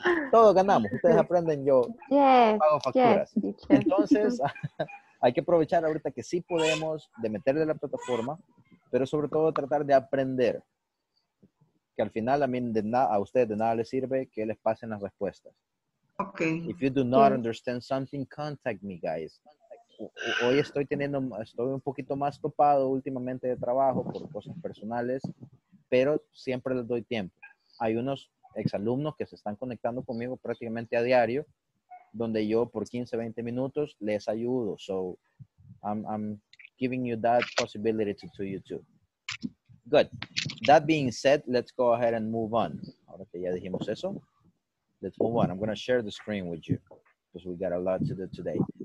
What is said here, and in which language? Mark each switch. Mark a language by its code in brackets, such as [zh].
[es] Todos ganamos. Ustedes aprenden, yo pago facturas. Entonces, hay que aprovechar ahorita que sí podemos de meterle la plataforma, pero sobre todo tratar de aprender. Que al final, a ustedes de nada les sirve que les pasen las respuestas. Ok. [en] If you do not understand something, contact me, guys. [es] Hoy estoy un poquito más topado últimamente de trabajo por cosas personales, pero siempre les doy tiempo. Hay unos exalumnos que se están conectando conmigo prácticamente a diario, donde yo por 15, 20 minutos les ayudo. [en] So, I'm giving you that possibility to you too. Good. That being said, let's go ahead and move on. [es] Ahora que ya dijimos eso, [en] let's move on. I'm going to share the screen with you because we got a lot to do today.